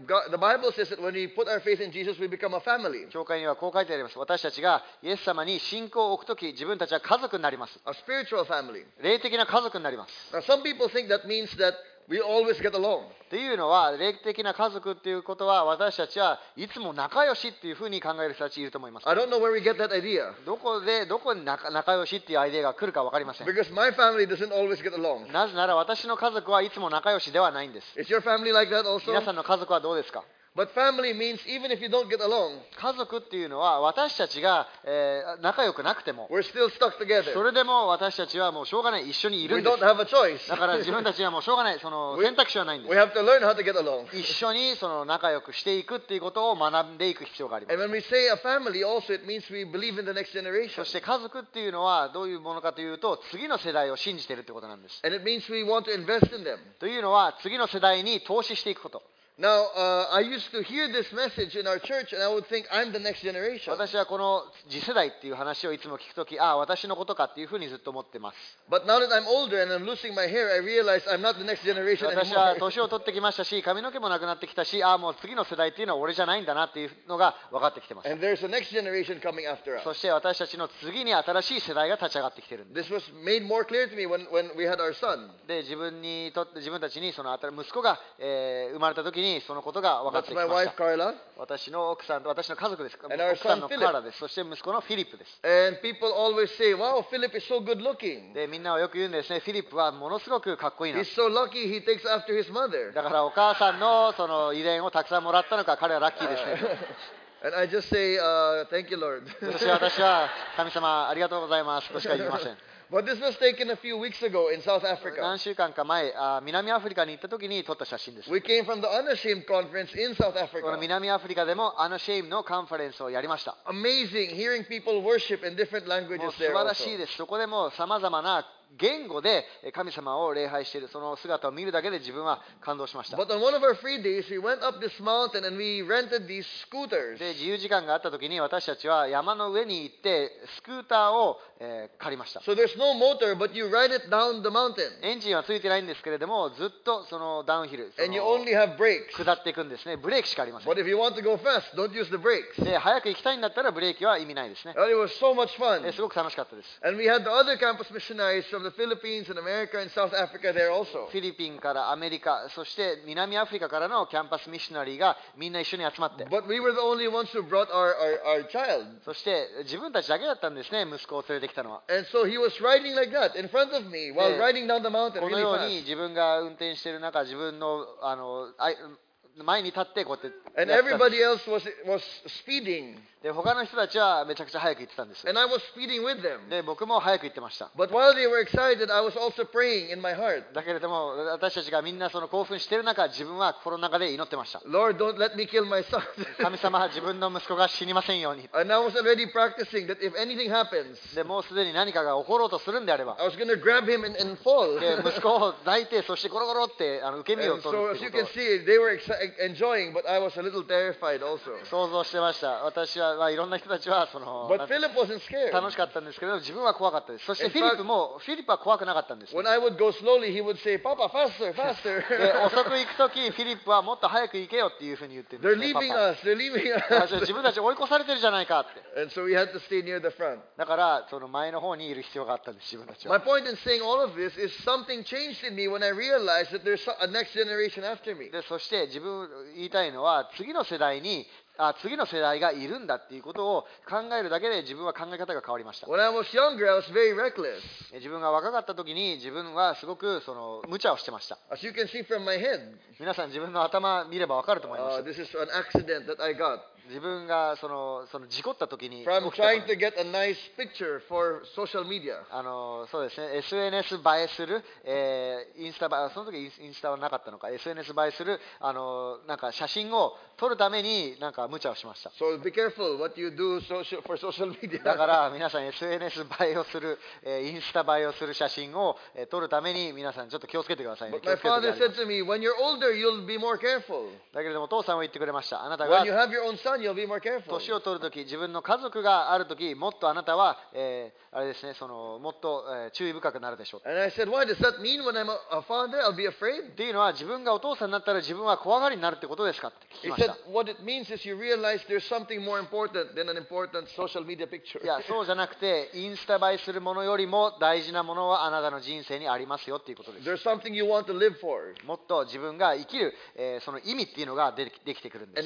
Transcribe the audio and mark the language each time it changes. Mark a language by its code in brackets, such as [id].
[en] The Bible says that when we put our faith in Jesus, we become a family. [ja] 教会にはこう書いてあります。私たちがイエス様に信仰を置くとき、自分たちは家族になります。 [en] A spiritual family. [ja] 霊的な家族になります。 [en] Now, some people think that means that we always get along. [ja] というのは、霊的な家族っていうことは、私たちはいつも仲良しっていうふうに考える人たちいると思います。 [en] I don't know where we get that idea. [ja] どこに仲良しっていうアイデアが来るか分かりません。 [en] Because my family doesn't always get along. [ja] なぜなら私の家族はいつも仲良しではないんです。 [en] Is your family like that also? [ja] 皆さんの家族はどうですか？ [en] But family means even if you don't get along, [ja] 家族っていうのは私たちが、仲良くなくても [en] we're still stuck together. [ja] それでも私たちはもうしょうがない一緒にいるんです [en] we don't have a choice. [ja] だから自分たちはもうしょうがないその選択肢はないんです [en] we have to learn how to get along. [ja] 一緒にその仲良くしていくっていうことを学んでいく必要があります [en] and when we say a family also it means we believe in the next generation. [ja] そして家族っていうのはどういうものかというと次の世代を信じているってことなんです [en] and it means we want to invest in them. [ja] というのは次の世代に投資していくこと [en] Now, I used to hear this message in our church, and I would think I'm the next generation. [ja] 私はこの次世代っていう話をいつも聞くとき、ああ私のことかっていうふうにずっと思ってます。 [en] But now that I'm older and I'm losing my hair, I realize I'm not the next generation anymore. [ja] 私は年を取ってきましたし、髪の毛もなくなってきたし、ああもう次の世代っていうのは俺じゃないんだなっていうのが分かってきてます。 [en] And there's a next generation coming after us. [ja] そして私たちの次に新しい世代が立ち上がってきてるんです。 [en] This was made more clear to me when we had our son. [ja] で自分たちにその息子が、生まれたときに。そのことが分かってきました。 [en] That's my wife, Carla. [ja] 私の家族です。 [en] And our son, Philip. [ja] そして息子のフィリップです。 [en] And people always say, "Wow, Philip is so good looking." [ja] で、みんなはよく言うんですね。フィリップはものすごくかっこいいな。 [en] He's so lucky. He takes after his mother. [ja] だからお母さんのその遺伝をたくさんもらったのか、彼はラッキーですね。 [en] And I just say, "Thank you, Lord." [ja] 私は神様ありがとうございますとしか言いません。 [en] But this was taken a few weeks ago in South Africa. [ja] 何週間か前、南アフリカに行った時に撮った写真です。 [en] We came from the Unashamed Conference in South Africa. [ja] この南アフリカでも Unashamed のカンファレンスをやりました。 [en] Amazing, hearing people worship in different languages there. [ja] 素晴らしいです。そこでも様々な言語で神様を礼拝しているその姿を見るだけで自分は感動しました。 [en] But on one of our free days, we went up this mountain and we rented these scooters. [ja] で、自由時間があった時に私たちは山の上に行ってスクーターを、借りました。 [en] So there's no motor, but you ride it down the mountain. [ja] エンジンはついてないんですけれども、ずっとそのダウンヒル、 [en] And you only have brakes. [ja] 下っていくんですね。ブレーキしかありません。 [en] But if you want to go fast, don't use the brakes. [ja] で、早く行きたいんだったらブレーキは意味ないですね。 [en] But it was so much fun. [ja] すごく楽しかったです。 [en] And we had the other campus missionaries from the Philippines and America and South Africa there also. [ja] フィリピンからアメリカ、そして南アフリカからのキャンパスミッショナリーがみんな一緒に集まって。 [en] But we were the only ones who brought our child. [ja] そして自分たちだけだったんですね、息子を連れてきたのは。 [en] And so he was riding like that in front of me while riding down the mountain really fast. [ja] このように自分が運転している中、自分のあの前に立ってこうやってやった。 [en] And everybody else was speeding. [ja] で他の人たちはめちゃくちゃ早く行ってたんです。 [en] And I was speeding with them. [ja] で僕も早く行ってました。 [en] But while they were excited, I was also praying in my heart. [ja] だけれども私たちがみんなその興奮してる中、自分は心の中で祈ってました。 [en] Lord, don't let me kill my son. [ja] 神様、自分の息子が死にませんように。 [en] And I was already practicing that if anything happens, [ja] でもうすでに何かが起ころうとするんであれば、 [en] I was going to grab him and fall. [ja] で息子を抱いて、そしてゴロゴロって受け身を取るってこと。 [en] And so as you can see, they were enjoying, but I was a little terrified also. [ja] 想像してました。私はまあ、いろんな人たちはその楽しかったんですけど自分は怖かったです。そしてフィリップは怖くなかったんです。 [en] When I would go slowly, he would say, "Papa, faster, faster." [ja] 遅く行くときフィリップはもっと早く行けよっていうふうに言ってるんですね。 [en] They're leaving us. They're leaving us. [ja] 自分たち追い越されてるじゃないかって。 [en] And so we had to stay near the front. [ja] だからその前の方にいる必要があったんです自分たちは。 [en] My point in saying all of this is something changed in me when I realized that there's a next generation after me. [ja] でそして自分言いたいのは次の世代に。次の世代がいるんだっていうことを考えるだけで自分は考え方が変わりました。 [en] When I was younger, I was very reckless. [ja] 自分が若かった時に自分はすごくその無茶をしてました。 [en] As you can see from my head. [ja] 皆さん自分の頭見れば分かると思います。 [en] This is an accident that I got. [ja] 自分がその事故った時に [en] from trying to get a nice picture for social media [ja] そうですね SNS 映えする、インスタ映えその時インスタはなかったのか SNS 映えするなんか写真を撮るためになんか無茶をしました [en] So be careful what you do social, for social media [ja] だから皆さん SNS 映えをする、インスタ映えをする写真を撮るために皆さんちょっと気をつけてくださいね [en] But my father said to me when you're older you'll be more careful [ja] だけれどもお父さんは言ってくれましたあなたが [en] when you have your own son you'll be more careful [ja] 年を取るとき自分の家族があるときもっとあなたは、あれですねもっと、注意深くなるでしょう [en] And I said why does that mean when I'm a father I'll be afraid [ja] っていうのは自分がお父さんになったら自分は怖がりになるってことですかって聞きました [en] He said what it means is you realize there's something more important than an important social media picture [ja] いやそうじゃなくてインスタ映えするものよりも大事なものはあなたの人生にありますよっていうことです [en] There's something you want to live for [ja] もっと自分が生きる、その意味っていうのができてくるんです